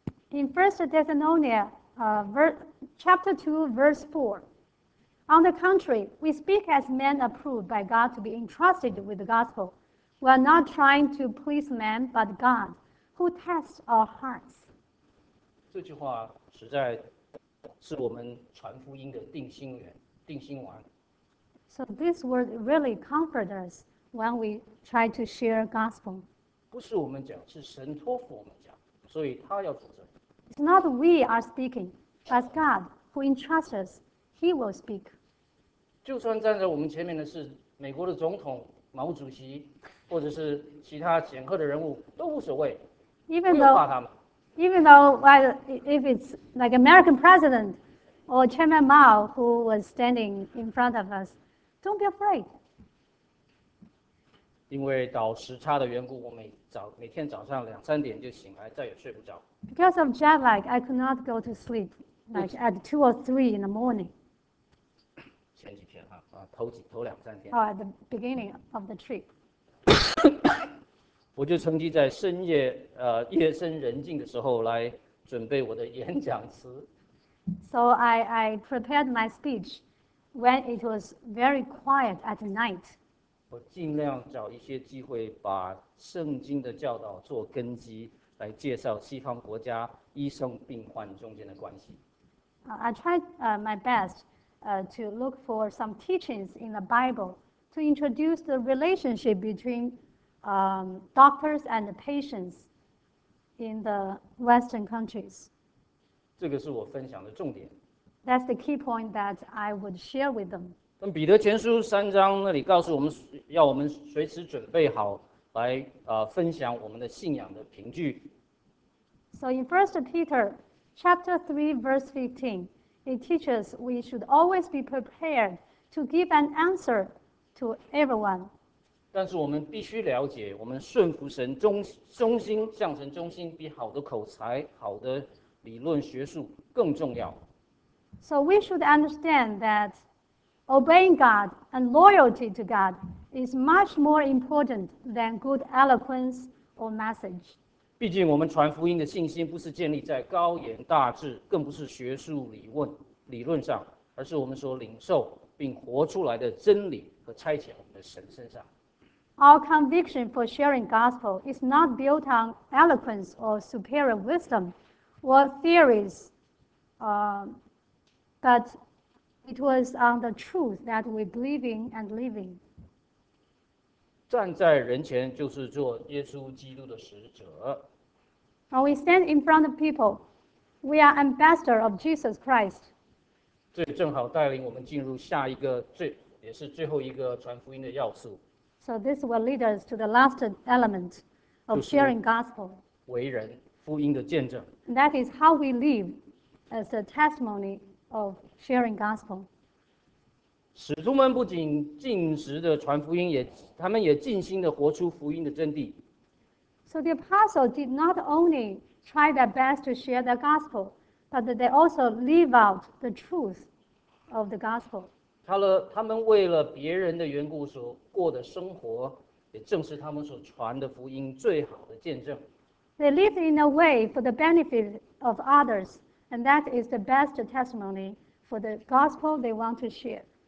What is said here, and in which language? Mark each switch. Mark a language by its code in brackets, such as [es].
[en] In 1 Thessalonians, chapter 2, verse 4, on the contrary, we speak as men approved by God to be entrusted with the gospel. We are not trying to please man, but God, who tests our hearts. [zh] 这句话实在是我们传福音的定心丸。定心丸。 [en] So this word really comforts us. When we try to share gospel, [zh] 不是我们讲，是神托付我们讲，所以他要负责。 [en] It's not we are speaking, but God who entrusts us, He will speak. [zh] 就算站在我们前面的是美国的总统毛主席，或者是其他显赫的人物，都无所谓。 [en] Even though, if it's like American President or Chairman Mao who was standing in front of us, don't be afraid. [zh] 因为倒时差的缘故，我每天早上两三点就醒来，再也睡不着。 [en] Because of jet lag, I could not go to sleep like at 2 or 3 in the morning. [zh] 前几天头两三天。 [en] At the beginning of the trip. [zh] 我就趁机在深夜，夜深人静的时候来准备我的演讲词。 [en] So I prepared my speech when it was very quiet at night. [zh] 我尽量找一些机会把圣经的教导做根基，来介绍西方国家医生病患中间的关系。 [en] I tried my best to look for some teachings in the Bible to introduce the relationship between doctors and patients in the Western countries. [zh] 这个是我分享的重点。 [en] That's the key point that I would share with them. [zh] 跟彼得前书三章那里告诉我们，要我们随时准备好来分享我们的信仰的凭据。 [en] So in 1 Peter chapter 3 verse 15, it teaches we should always be prepared to give an answer to everyone. [zh] 但是我们必须了解，我们顺服神，忠心向神忠心，比好的口才、好的理论学术更重要。 [en] So we should understand that. Obeying God and loyalty to God is much more important than good eloquence or message. [zh] 毕竟我们传福音的信心不是建立在高言大志，更不是学术理论上，而是我们所领受并活出来的真理和差遣我们的神身上。 [en] Our conviction for sharing gospel is not built on eloquence or superior wisdom or theories, but. It was on the truth that we believe in and live in. [zh] 站在人前就是做耶稣基督的使者。 [en] When we stand in front of people, We are ambassador of Jesus Christ. [zh] 这正好带领我们进入下一个最也是最后一个传福音的要素。 [en] So this will lead us to the last element of sharing gospel. [zh] 为人福音的见证。 [en] And that is how we live as a testimony of sharing gospel. [zh] 使徒们不仅尽职的传福音，他们也尽心的活出福音的真谛。 [en] So the apostles did not only try their best to share the gospel, but they also live out the truth of the gospel. [zh] 他们为了别人的缘故所过的生活，也正是他们所传的福音最好的见证。 [en] They live in a way for the benefit of others, and that is the best testimony for the gospel they want to share.